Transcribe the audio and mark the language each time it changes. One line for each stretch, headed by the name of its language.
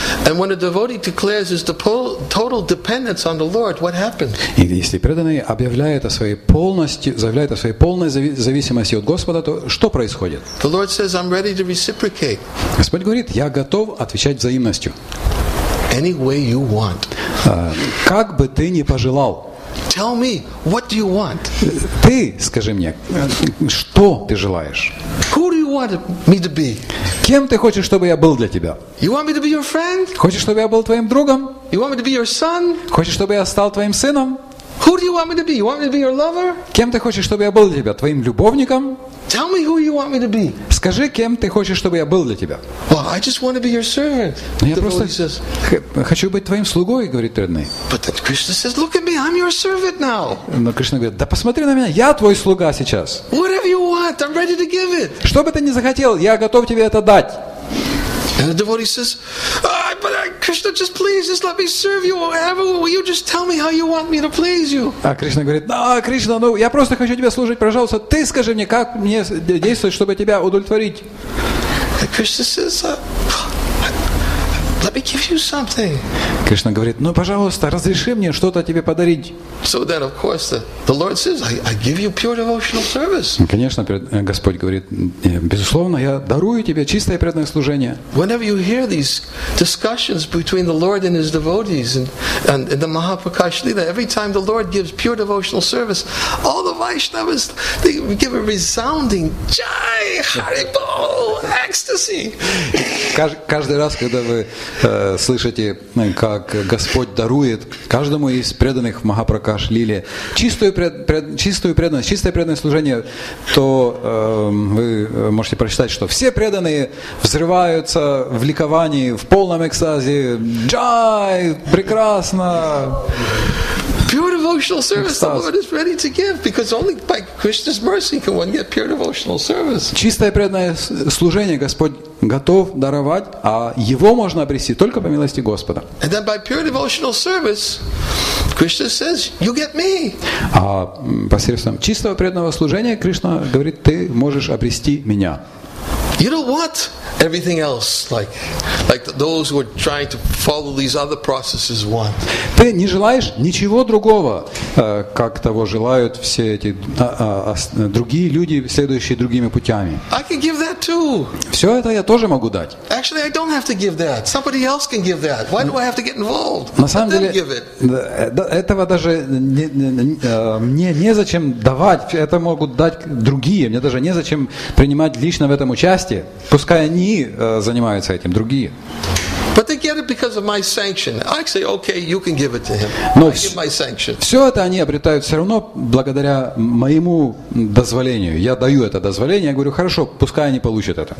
English: And when a devotee declares his total dependence on the Lord, what happens?
Russian: И если преданный объявляет о своей полности, заявляет о своей полной зависимости от Господа, то что происходит?
English: The Lord says, I'm ready to reciprocate.
Russian: Господь говорит, я готов отвечать взаимностью.
English: Any way you want.
Russian: Как бы ты ни пожелал.
English: Tell me, what do you want?
Russian: Ты скажи мне, что ты желаешь?
English: Who do you want me to be?
Russian: Кем ты хочешь, чтобы я был для тебя?
English: You want me to be your friend?
Russian: Хочешь, чтобы я был твоим другом?
English: You want me to be your son?
Russian: Хочешь, чтобы я стал твоим сыном?
English: Who do you want me to be? You want me to be your lover?
Russian: Кем ты хочешь, чтобы я был для тебя? Твоим любовником?
English: Tell me who you want me to be.
Russian: Скажи, кем ты хочешь, чтобы я был для тебя?
English: Well, I just want to be your servant.
Russian: Я просто хочу быть твоим слугой, говорит преданный.
English: But then Krishna says, look at me, I'm your servant now.
Russian: Но Кришна говорит, да посмотри на меня, я твой слуга сейчас.
English: Whatever you want, I'm ready to give it.
Russian: Что бы ты ни захотел, я готов тебе это дать.
English: And the devotee says, but Krishna, just please, just let me serve you. Whatever, will you just tell me how you want me to please you?
Russian: А Кришна говорит, Кришна, я просто хочу тебе служить, пожалуйста. Ты скажи мне, как мне действовать, чтобы тебя удовлетворить?
English: And Krishna says, let me give you something.
Russian: Кришна говорит, пожалуйста, разреши мне что-то тебе подарить.
English: So then, of course, the Lord says, I give you pure devotional service.
Russian: Конечно, Господь говорит, безусловно, я дарую тебе чистое преданное служение.
English: Whenever you hear these discussions between the Lord and his devotees and in the Mahaprakash Lila, every time the Lord gives pure devotional service, all the Vaishnavas, they give a resounding Jai Hari Bol ecstasy.
Russian: Каждый раз, когда вы слышите, как Господь дарует каждому из преданных в Махапракаш Лиле чистую преданность, чистое преданное служение, то вы можете прочитать, что все преданные взрываются в ликовании, в полном экстазе. Джай! Прекрасно!
English: Pure devotional service the Lord is ready to give because only by Krishna's mercy can one get pure devotional service.
Russian: Чистое преданное служение Господь готов даровать, а его можно обрести только по милости Господа.
English: And then by pure devotional service, Krishna says, you get me.
Russian: А посредством чистого преданного служения Кришна говорит, ты можешь обрести меня.
English: You know what? Everything else, like those who are trying to follow these other processes, want.
Russian: Ты не желаешь ничего другого, как того желают все эти другие люди, следующие другими путями.
English: I can give that too.
Russian: Все это я тоже могу дать.
English: Actually, I don't have to give that. Somebody else can give that. Why do I have to get involved?
Russian: На самом деле, этого даже мне не зачем давать. Это могут дать другие. Мне даже не зачем принимать лично в этом участие. Пускай они занимаются этим, другие.
English: But they get it because of my sanction. I say, okay, you can give it to him. I give my sanction.
Russian: Все это они обретают все равно благодаря моему дозволению. Я даю это дозволение. Я говорю, хорошо, пускай они получат это.